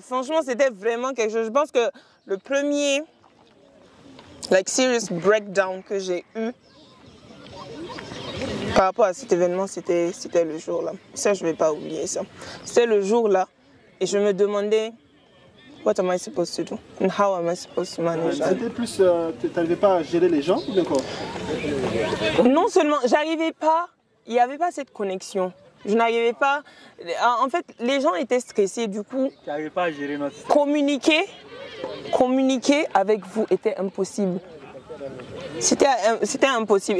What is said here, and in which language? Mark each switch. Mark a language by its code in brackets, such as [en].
[fr] Franchement, c'était vraiment quelque chose. Je pense que le premier, [en] like, serious breakdown [fr] que j'ai eu par rapport à cet événement, c'était le jour-là. Ça, je ne vais pas oublier ça. C'était le jour-là. Et je me demandais, [en] what am I supposed to do? And how am I supposed to manage? [fr] C'était plus, tu n'arrivais pas à gérer les gens, ou quoi? Non seulement, j'arrivais pas, il n'y avait pas cette connexion. Je n'arrivais pas, en fait, les gens étaient stressés, du coup. Tu n'arrivais pas à gérer notre... Communiquer avec vous était impossible. C'était impossible.